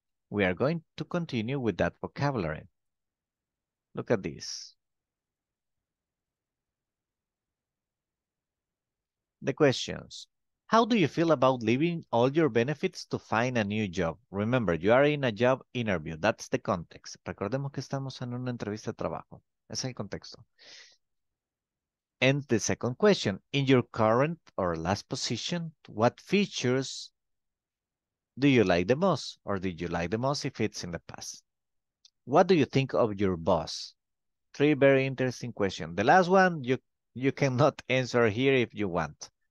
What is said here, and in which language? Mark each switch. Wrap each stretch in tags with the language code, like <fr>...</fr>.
<en>We are going to continue with that vocabulary. Look at this. The questions. How do you feel about leaving all your benefits to find a new job? Remember, you are in a job interview. That's the context.</en> <es>Recordemos que estamos en una entrevista de trabajo. Es el contexto.</es> <en>And the second question. In your current or last position, what features do you like the most? Or did you like the most if it's in the past? What do you think of your boss? Three very interesting questions. The last one, you cannot answer here if you want.</en>